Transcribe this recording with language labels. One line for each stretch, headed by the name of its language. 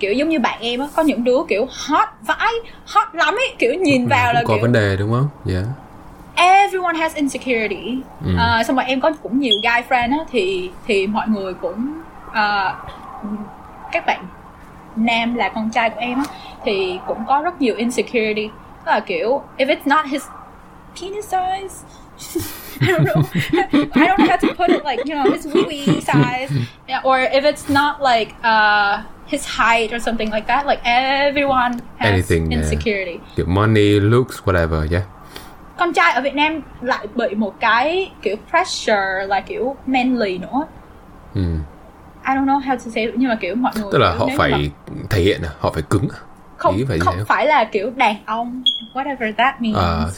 Vietnamese: Kiểu giống như bạn em á, có những đứa kiểu hot vãi, hot lắm ấy, kiểu nhìn vào là có kiểu có vấn đề đúng không? Yeah.
English: Everyone has insecurity.
Vietnamese: Xong rồi em có cũng nhiều guy friend á, thì mọi người cũng các bạn nam là con trai của em á, thì cũng có rất nhiều insecurity. Tức là kiểu
English: if it's not his penis size, I don't have to put it like, you know, his wee-wee size, or if it's not like his height or something like that, like everyone has anything, insecurity. Your money, looks, whatever, yeah.
Vietnamese: Con trai ở Việt Nam lại bị một cái kiểu pressure là kiểu manly nữa.
English: I don't know how to say it, nhưng mà kiểu mọi người
Vietnamese: tức là họ phải mà thể hiện, họ phải cứng. Không phải là kiểu đàn ông,
English: whatever that means.